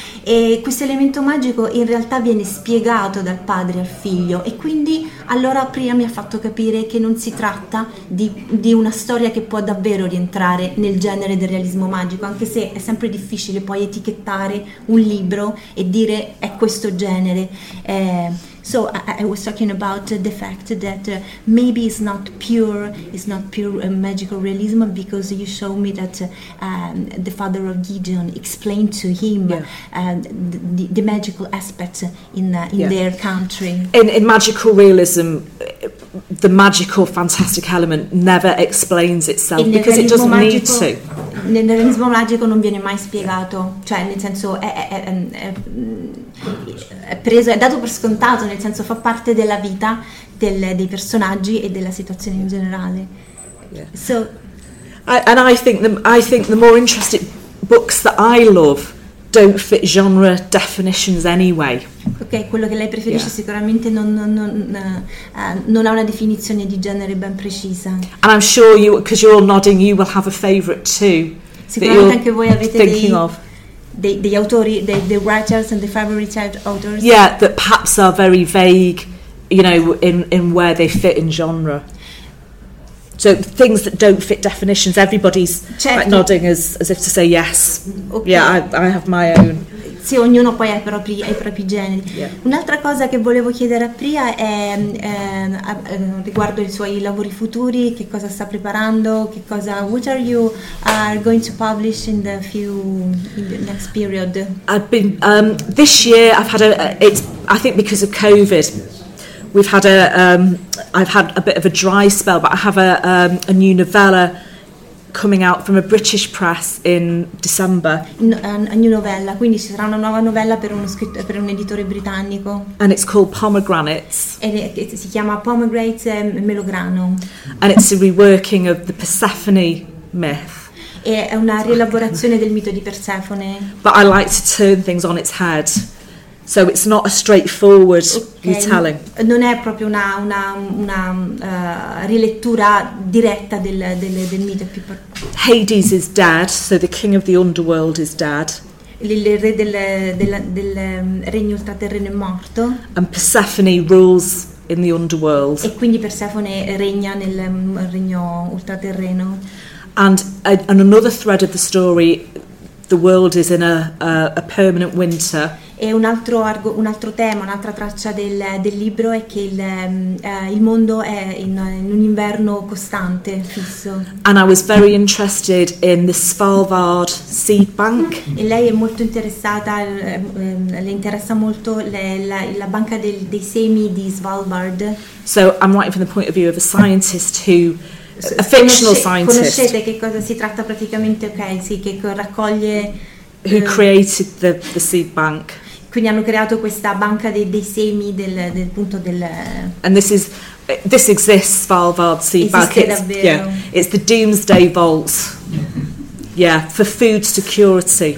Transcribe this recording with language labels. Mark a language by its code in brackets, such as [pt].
[it] e questo elemento magico in realtà viene spiegato dal padre al figlio, e quindi allora Priya mi ha fatto capire che non si tratta di una storia che può davvero rientrare nel genere del realismo magico, anche se è sempre difficile poi etichettare un libro e dire è questo genere. [en] So I was talking about the fact that maybe it's not pure magical realism, because you show me that the father of Gideon explained to him the magical aspects in their country. In magical realism, the magical fantastic element never explains itself, because it doesn't need to. [it] Nel realismo magico non viene mai spiegato, cioè nel senso è dato per scontato, nel senso fa parte della vita dei personaggi e della situazione in generale. [en] So I think the more interesting books that I love don't fit genre definitions anyway. [it] Ok, quello che lei preferisce sicuramente non ha una definizione di genere ben precisa. [en] And I'm sure you, because you're all nodding, you will have a favorite too. [it] Sicuramente anche voi avete degli autori, dei [en] writers and the favorite authors. Yeah, that perhaps are very vague, you know, in where they fit in genre. So things that don't fit definitions. Everybody's [it] certo. [en] Like nodding as if to say yes. Okay. Yeah, I have my own. [it] Sì, ognuno poi ha i propri generi. [en] Yeah. [it] Un'altra cosa che volevo chiedere a Priya è riguardo i suoi lavori futuri, che cosa sta preparando, che cosa. [en] What are you going to publish in the next period? This year I've had I think because of COVID. We've had I've had a bit of a dry spell, but I have a new novella coming out from a British press in December. A new novella, [it] quindi ci sarà una nuova novella per un editore britannico. [en] And it's called Pomegranates. [it] E si chiama Pomegranate Melograno. [en] And it's a reworking of the Persephone myth. [it] E è una rielaborazione del mito di Persephone. [en] But I like to turn things on its head. So it's not a straightforward retelling. [it] Non è proprio una rilettura diretta del mito. [en] Hades is dead, so the king of the underworld is dead. [it] Il re del regno ultraterreno è morto. [en] And Persephone rules in the underworld. [it] E quindi Persephone regna nel regno ultraterreno. [en] And another thread of the story, the world is in a permanent winter. [it] E un altro tema, un'altra traccia del libro è che il mondo è in un inverno costante, fisso. [en] And I was very interested in the Svalbard seed bank. [it] E lei è molto interessata, le interessa molto la banca dei semi di Svalbard. [en] So I'm writing from the point of view of a scientist who. A fictional scientist. [it] Conoscete che cosa si tratta praticamente, ok, sì, che raccoglie. [en] Who created the seed bank. [it] Quindi hanno creato questa banca dei semi del punto del. [en] And this exists, Svalbard Seed Bank. [it] Esiste davvero. [en] Yeah, it's the doomsday vault. Yeah, for food security.